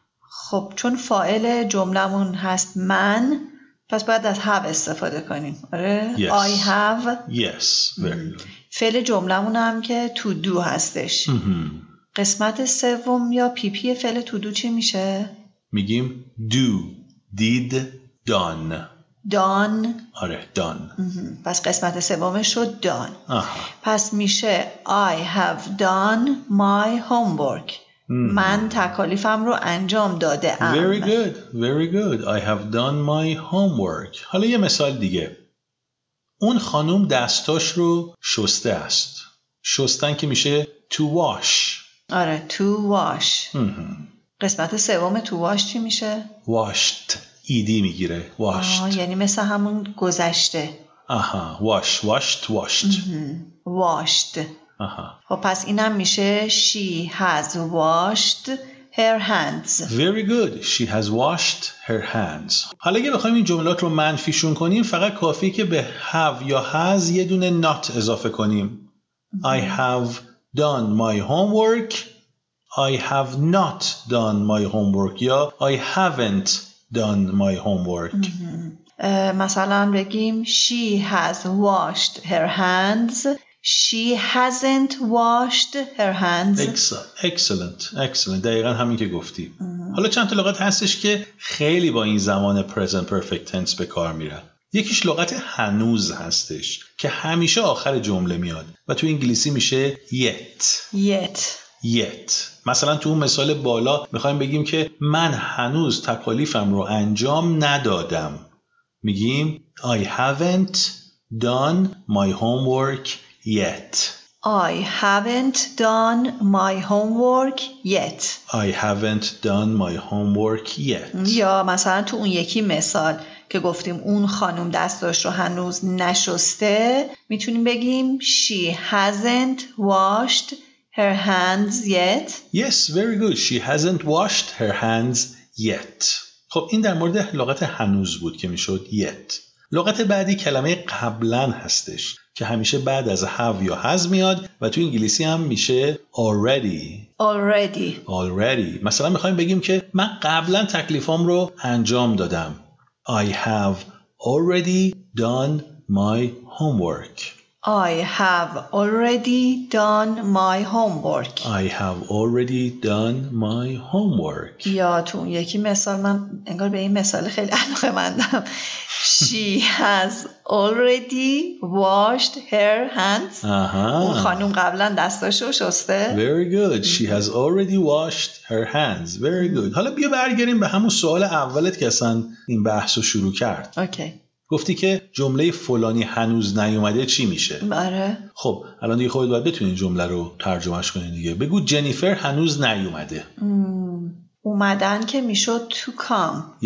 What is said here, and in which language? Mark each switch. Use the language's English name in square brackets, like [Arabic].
[Persian] خب چون فاعل جملمون هست من، پس باید از have استفاده کنیم. آره؟ [English] yes. I have. yes. [Persian] فعل جملمون هم که to do هستش. قسمت سوم یا پی پی فعل to do چی میشه؟ میگیم do، did، done. دان. آره دان. پس قسمت سومش شد دان. آها. پس میشه [English] I have done my homework. [Persian] من تکالیفم رو انجام داده ام. [English] Very good. Very good. I have done my homework. [Persian] حالا یه مثال دیگه. اون خانم دستاش رو شسته است. شستن که میشه to wash. آره to wash. قسمت سوم to wash چی میشه؟ washed. ایدی میگیره. واشت. یعنی مثل همون گذشته. آها. واش. واشت. واشت. واشت. آها. خب پس اینم میشه [English] She has washed her hands. Very good. She has washed her hands. [Persian] حالا اگه بخوایم این جملات رو منفیشون کنیم، فقط کافیه که به have یا has یه دونه not اضافه کنیم. [English] I have done my homework. I have not done my homework. [Persian] یا [English] I haven't done my homework. [Persian] مثلا بگیم [English] she has washed her hands. She hasn't washed her hands. Excellent. Excellent. [Persian] دقیقا همین که گفتی. حالا چند تا لغت هستش که خیلی با این زمان present perfect tense به کار میره. یکیش لغت هنوز هستش که همیشه آخر جمله میاد و تو انگلیسی میشه yet. [English] Yet. Yet. [Persian] مثلا تو اون مثال بالا میخوایم بگیم که من هنوز تکالیفم رو انجام ندادم، میگیم [English] I haven't done my homework yet. I haven't done my homework yet. I haven't done my homework yet. [Persian] یا مثلا تو اون یکی مثال که گفتیم اون خانم دستاش رو هنوز نشسته، میتونیم بگیم [English] She hasn't washed her hands yet. Yes, very good. She hasn't washed her hands yet. [Persian] خب این در مورد لغت هنوز بود که میشد yet. لغت بعدی کلمه قبلن هستش که همیشه بعد از have یا has میاد و تو انگلیسی هم میشه already. [English] Already. Already. [Persian] مثلا میخوایم بگیم که من قبلن تکلیفام رو انجام دادم. [English] I have already done my homework. I have already done my homework. I have already done my homework. [Persian] یا تو یکی مثال من انگار به این مثال خیلی علاقه مندم. [English] She has already washed her hands. [Persian] اون خانم قبلا دستاشو شسته. [English] Very good. She has already washed her hands. Very good. [Persian] حالا بیا برگردیم به همون سوال اولت که اصلا این بحثو شروع کرد. اوکی. گفتی که جمله فلانی هنوز نیومده چی میشه؟ آره. خب الان دیگه خودت باید بتونی جمله رو ترجمهش کنی دیگه. بگو جنیفر هنوز نیومده. اومدن که میشد to come.